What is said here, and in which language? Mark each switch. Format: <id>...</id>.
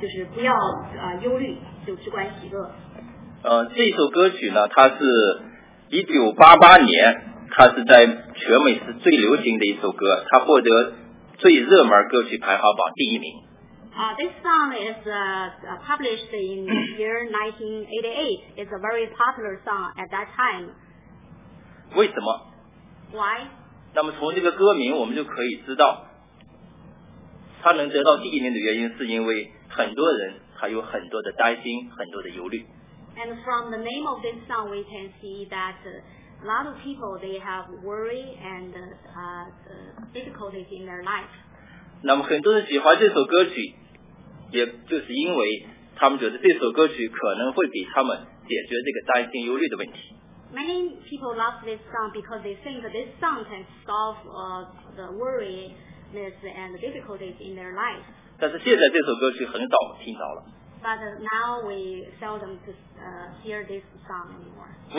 <zh>就是不要忧虑，就只管喜乐。这首歌曲呢，它是1988年，它是在全美是最流行的一首歌，它获得最热门歌曲排行榜第一名。</zh> <en>This song is published in the year 1988. It's a very popular song at that time.</en> <zh>为什么</zh> <en>？Why？</en> <zh>那么从这个歌名我们就可以知道，它能得到第一名的原因是因为很多人他有很多的担心，很多的忧虑。</zh> <en>And from the name of this song, we can see that a lot of people they have worry and difficulties in their life.</en> <zh>那么很多人喜欢这首歌曲，也就是因为他们觉得这首歌曲可能会给他们解决这个担心忧虑的问题。</zh> <en>Many people love this song because they think that this song can solve the worries and difficulties in their life.</en> <zh>但是现在这首歌曲很少听到了。</zh> <en>But now we seldom hear this song anymore.</en>